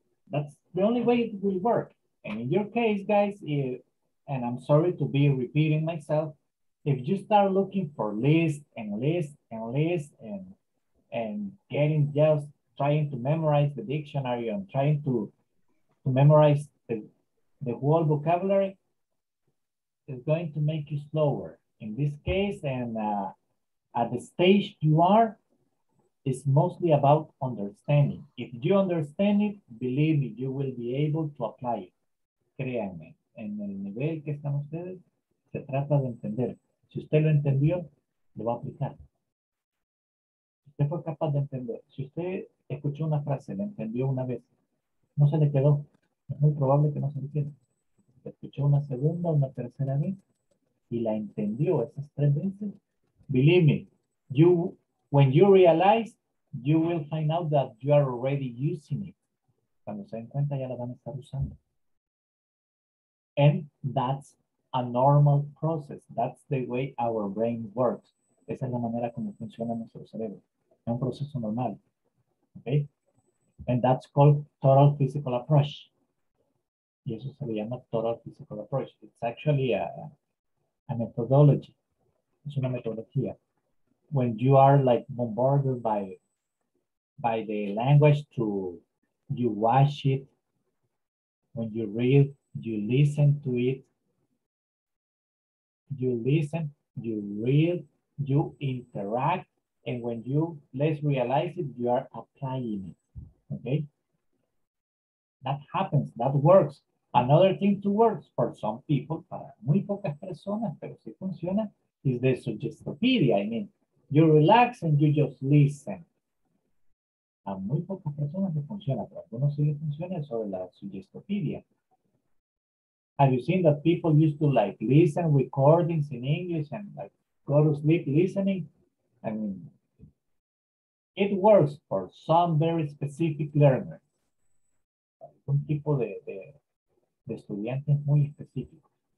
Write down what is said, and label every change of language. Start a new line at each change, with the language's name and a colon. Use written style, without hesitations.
English: That's the only way it will work. And in your case, guys, and I'm sorry to be repeating myself, if you start looking for lists and getting just trying to memorize the dictionary and trying to memorize the whole vocabulary, is going to make you slower. In this case, and at the stage you are, it's mostly about understanding. If you understand it, believe me, you will be able to apply it.
Spanish: Créanme. En el nivel que están ustedes, se trata de entender. Si usted lo entendió, lo va a aplicar. Usted fue capaz de entender. Si usted escuchó una frase, la entendió una vez, no se le quedó. Es muy probable que no se entienda. Escuchó una segunda, una tercera vez y la entendió esas tres veces.
English: Believe me, when you realize, you will find out that you are already using it.
Spanish: Cuando se den cuenta, ya la van a estar usando.
English: And that's a normal process. That's the way our brain works.
Spanish: Esa es la manera como funciona nuestro cerebro. Es un proceso normal.
English: Okay? And that's called total physical approach.
Spanish: Y eso se le llama total physical approach.
English: It's actually a methodology.
Spanish: Es una metodología.
English: When you are like bombarded by the language, to you watch it, when you read, you listen to it, you listen, you read, you interact, and when you less realize it, you are applying it. Okay? That happens, that works. Another thing to work for some people,
Spanish: para muy pocas personas, pero sí funciona,
English: is the suggestopedia. I mean, you relax and you just listen.
Spanish: A muy pocas personas le funciona, pero algunos sí le funciona sobre la suggestopedia.
English: Have you seen that people used to like listen recordings in English and like go to sleep listening? I mean, it works for some very specific learners.
Spanish: Algún tipo de estudiantes muy específicos.